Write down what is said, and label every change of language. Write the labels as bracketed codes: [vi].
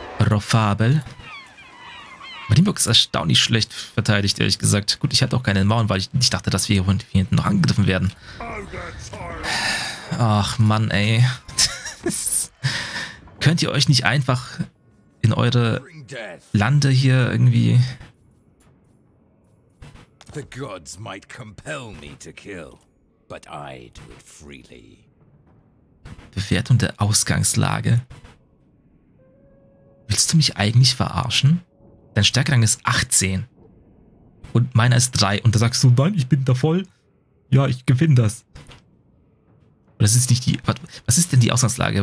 [de] Rofabel. Marienburg ist erstaunlich schlecht verteidigt, ehrlich gesagt. Gut, ich hatte auch keine Mauern, weil ich dachte, dass wir hier hinten noch angegriffen werden. Ach Mann, ey. Könnt ihr euch nicht einfach in eure Lande hier irgendwie... [en] The gods might compel me to kill, but I do it freely. [de] Bewertung der Ausgangslage. Willst du mich eigentlich verarschen? Dein Stärkerang ist 18. Und meiner ist 3. Und da sagst du, nein, ich bin da voll. Ja, ich gewinne das. Und das ist nicht die... was ist denn die Ausgangslage?